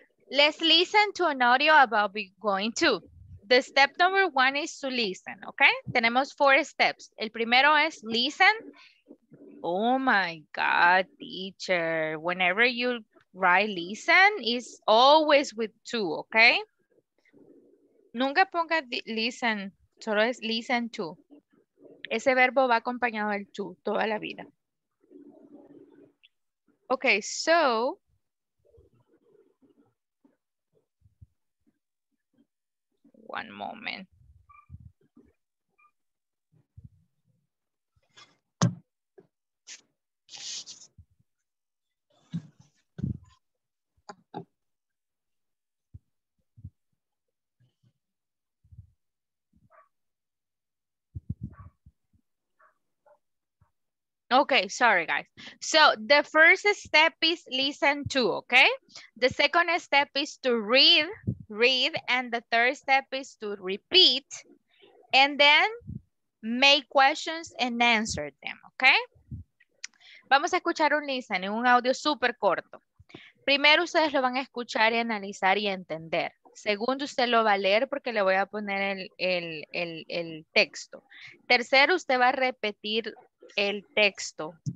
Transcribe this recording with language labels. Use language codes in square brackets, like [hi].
[en] Let's listen to an audio about we're going to. The step number one is to listen, okay? [es] Tenemos [en] four steps. [es] El primero es listen. [en] Oh my God, teacher. Whenever you write listen, it's always with two, okay? [es] Nunca ponga listen, solo es listen to. Ese verbo va acompañado del to toda la vida. [en] Okay, so... one moment. Okay, sorry guys. So the first step is listen to, okay? The second step is to read, and the third step is to repeat, and then make questions and answer them, okay? [es] Vamos a escuchar un listening, un audio súper corto. Primero ustedes lo van a escuchar y analizar y entender. Segundo, usted lo va a leer porque le voy a poner el texto. Tercero, usted va a repetir el texto.